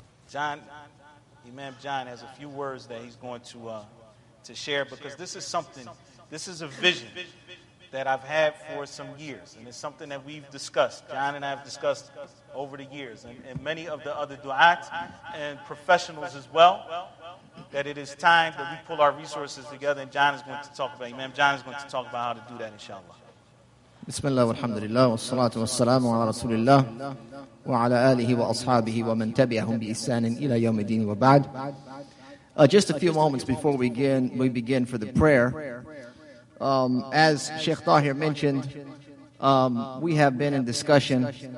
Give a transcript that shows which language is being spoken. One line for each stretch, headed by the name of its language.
English: John, Imam John has a few words that he's going to share, because this is something, this is a vision that I've had for some years, and it's something that we've discussed, John and I have discussed over the years, and many of the other du'at and professionals as well, that it is time that we pull our resources together, and John is going to talk about, Imam John is going to talk about how to do that, inshallah.
Arabic: Bismillah, alhamdulillah, wa salatu wa salamu ala rasulillah. وعلى آله وأصحابه ومن تبعهم بإحسان إلى يوم الدين وبعد.
English: Just a few moments before we begin for the prayer. As Sheikh Tahir mentioned, we have been in discussion.